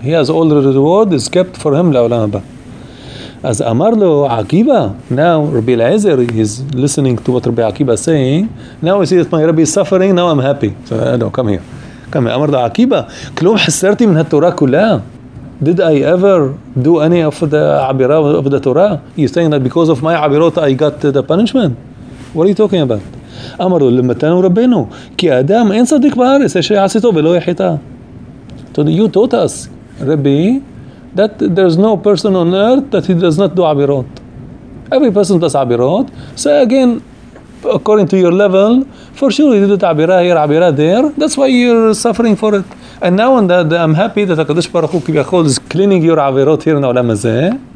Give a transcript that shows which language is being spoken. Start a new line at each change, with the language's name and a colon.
English: He has all the reward is kept for him la'olam haba. As amar lo Akiva, now Rabbi Elazar is listening to what Rabbi Akiva is saying. Now I see that my Rabbi is suffering, now I'm happy. So no, come here. Come here.
Hebrew: Amar lo Akiva, klum hasarti min ha-Torah kula.
English: Did I ever do any of the abira of the Torah? He's saying that because of my abirot I got the punishment. What are you talking about?
Hebrew: אמר לו למתנו רבנו כי האדם אין צדיק בארץ אשר יעשה טוב ולא יחטא.
English: So you taught us, Rabbi, that there's no person on earth that he does not do abirot. Every person does abirot. So again, according to your level, for sure you did it abira here, abira there. That's why you're suffering for it. And now and that I'm happy that HaKadosh Baruch Hu כביכול is cleaning your abirot here in העולם הזה.